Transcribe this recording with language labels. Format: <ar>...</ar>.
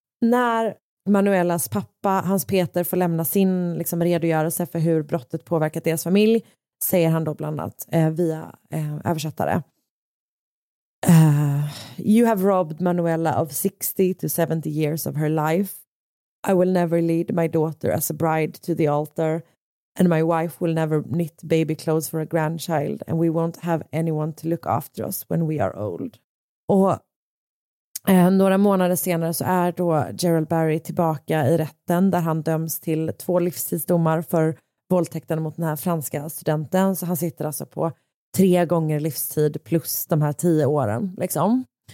<sv>När Manuelas pappa, Hans Peter, får lämna sin liksom redogörelse för hur brottet påverkat deras familj, säger han då bland annat via översättare:</sv> <en>you have robbed Manuela of 60 to 70 years of her life. I will never lead my daughter as a bride to the altar, and my wife will never knit baby clothes for a grandchild, and we won't have anyone to look after us when we are old.</en> <sv>Och några månader senare så är då Gerald Barry tillbaka i rätten där han döms till 2 livstidsdomar för våldtäkten mot den här franska studenten. Så han sitter alltså på 3 gånger livstid plus de här 10 åren liksom.</sv>